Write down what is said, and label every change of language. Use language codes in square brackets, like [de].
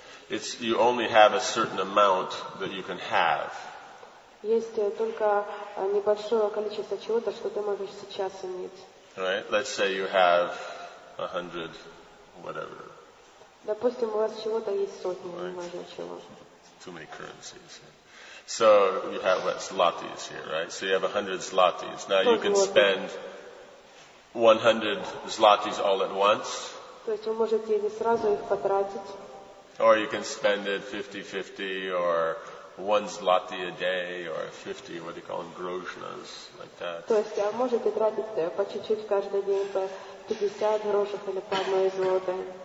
[en] It's you only have a certain amount that you can have. [ru] Есть только небольшое количество чего-то, что ты можешь сейчас иметь. [en] Right? Let's say you have 100, whatever. [ru] Допустим, у вас чего-то есть сотни, не важно чего. [en] Too many currencies. So you have what, zlotys here, right? So you have 100 zlotys. Now you can spend 100 zlotys all at once. [ru] То есть вы можете не сразу их потратить. [en] Or you can spend it 50-50 or one zloty a day or 50, what do you call them, groshnas, like that. [ru] То есть, а можете тратить по чуть-чуть каждый день по 50 грошек или по одной злоте.